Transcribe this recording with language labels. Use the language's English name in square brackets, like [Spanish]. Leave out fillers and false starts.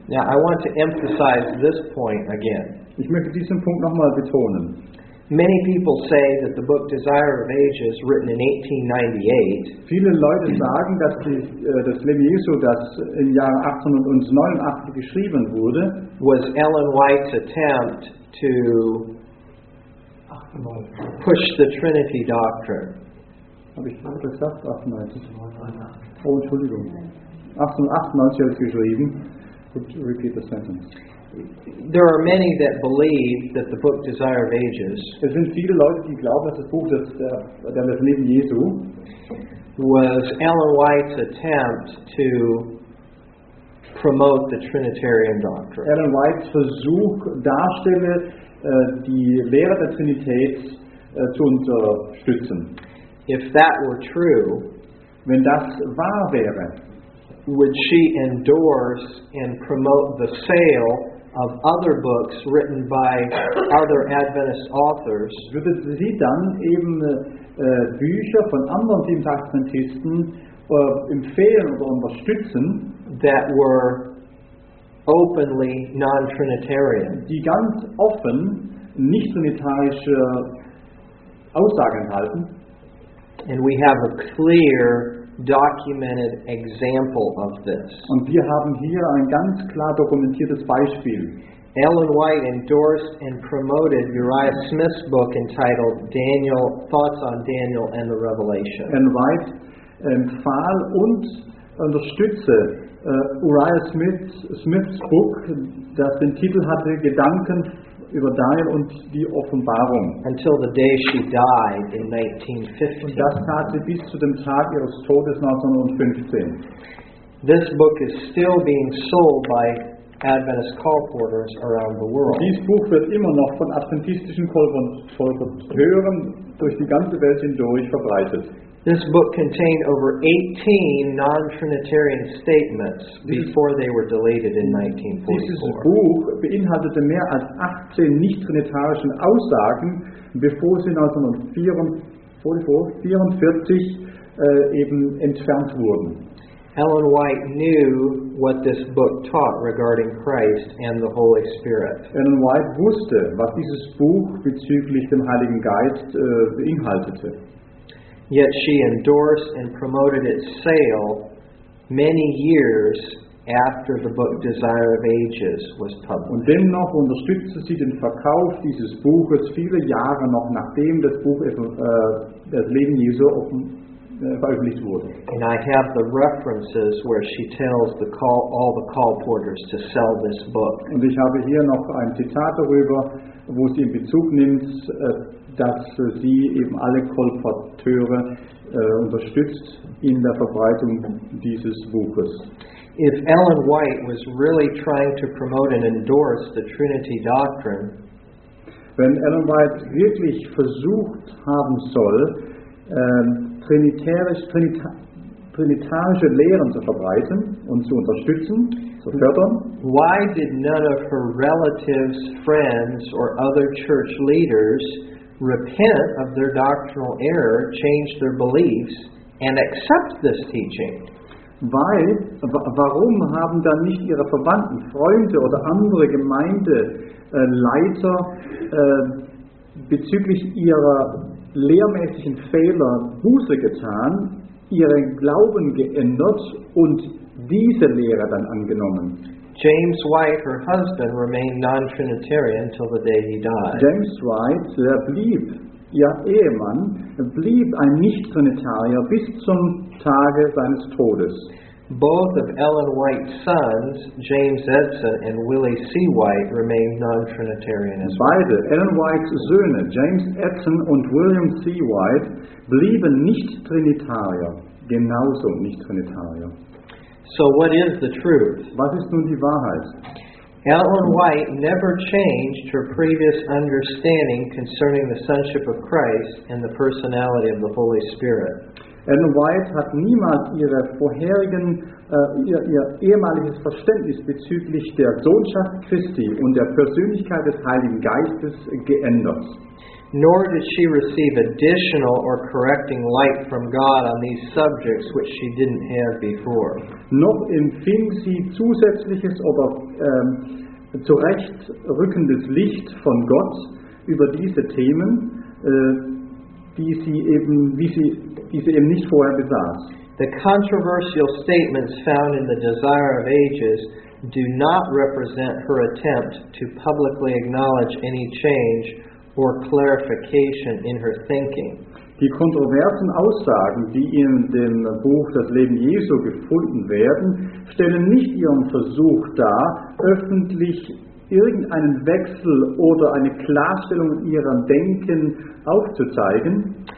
[English] Now, I want to emphasize this point again. [German] Ich möchte diesen Punkt nochmal betonen. [English] Many people say that the book Desire of Ages, written in 1898, [German] viele Leute sagen, dass das Leben Jesu, das im Jahr 1889 geschrieben wurde, [English] was Ellen White's attempt to push the Trinity doctrine. [German] Habe ich gerade gesagt, 98? Oh, Entschuldigung. 1898 habe ich geschrieben. [English] Could you repeat the sentence? There are many that believe that the book Desire of Ages, [German] es sind viele Leute, die glauben, dass das Buch das Leben Jesu, [English] was Ellen White's attempt to promote the Trinitarian doctrine. [German] Ellen White's Versuch darstelle, die Lehre der Trinität zu unterstützen. [English] If that were true, [German] wenn das wahr wäre, [English] would she endorse and promote the sale of other books written by other Adventist authors, [German] würde sie dann eben Bücher von anderen Seventh-day-Adventisten empfehlen oder unterstützen, [English] that were openly non-Trinitarian, [German] die ganz offen nicht-trinitarische Aussagen halten. [English] And we have a clear documented example of this. [German] Und wir haben hier ein ganz klar dokumentiertes Beispiel. [English] Ellen White endorsed and promoted Uriah Smith's book entitled Daniel, Thoughts on Daniel and the Revelation. [German] Ellen White empfahl und unterstütze Uriah Smith's Buch, das den Titel hatte Gedanken über Daniel und die Offenbarung. [English] Until the day she died in 1915. [German] Und das tat sie bis zu dem Tag ihres Todes 1915. [English] This book is still being sold by Adventist call porters around the world. [German] Dieses Buch wird immer noch von adventistischen Kolporteuren durch die ganze Welt hindurch verbreitet. [English] This book contained over 18 non-Trinitarian statements before they were deleted in 1944. [German] Dieses Buch beinhaltete mehr als 18 nicht-trinitarischen Aussagen, bevor sie 1944 eben entfernt wurden. [English] Ellen White knew what this book taught regarding Christ and the Holy Spirit. [German] Ellen White wusste, was dieses Buch bezüglich dem Heiligen Geist beinhaltete. [English] Yet she endorsed and promoted its sale many years after the book Desire of Ages was published. [German] Und dennoch unterstützte sie den Verkauf dieses Buches viele Jahre noch nachdem das Buch das Leben Jesu veröffentlicht wurde. [English] And I have the references where she tells all the call porters to sell this book. [German] Und ich habe hier noch ein Zitat darüber, wo sie in Bezug nimmt, dass sie eben alle Kolporteure unterstützt in der Verbreitung dieses Buches. [English] If Ellen White was really trying to promote and endorse the Trinity doctrine, [German] wenn Ellen White wirklich versucht haben soll, trinitarische Lehren zu verbreiten und zu unterstützen, zu fördern, [English] why did none of her relatives, friends or other church leaders repent of their doctrinal error, change their beliefs, and accept this teaching? [German] Weil, warum haben dann nicht ihre Verwandten, Freunde oder andere Gemeindeleiter bezüglich ihrer lehrmäßigen Fehler Buße getan, ihren Glauben geändert und diese Lehre dann angenommen? [English] James White, her husband, remained non-Trinitarian till the day he died. [German] James White, der blieb, ihr Ehemann, blieb ein Nicht-Trinitarier bis zum Tage seines Todes. [English] Both of Ellen White's sons, James Edson and Willie C. White, remained non-Trinitarian as well. [German] Beide, Ellen White's Söhne, James Edson und William C. White, blieben Nicht-Trinitarier, genauso Nicht-Trinitarier. [English] So what is the truth? [German] Was ist nun die Wahrheit? [English] Ellen White never changed her previous understanding concerning the sonship of Christ and the personality of the Holy Spirit. [German] Ellen White hat niemals ihr ehemaliges Verständnis bezüglich der Sohnschaft Christi und der Persönlichkeit des Heiligen Geistes geändert. [English] Nor did she receive additional or correcting light from God on these subjects which she didn't have before. [German] Noch empfing sie zusätzliches oder zurechtrückendes Licht von Gott über diese Themen, die sie eben nicht vorher besaß. [English] The controversial statements found in the Desire of Ages do not represent her attempt to publicly acknowledge any change or clarification in her thinking. [German] Die kontroversen Aussagen, die in dem Buch Das Leben Jesu gefunden werden, stellen nicht ihren Versuch dar, öffentlich irgendeinen Wechsel oder eine Klarstellung ihrer Denken aufzuzeigen,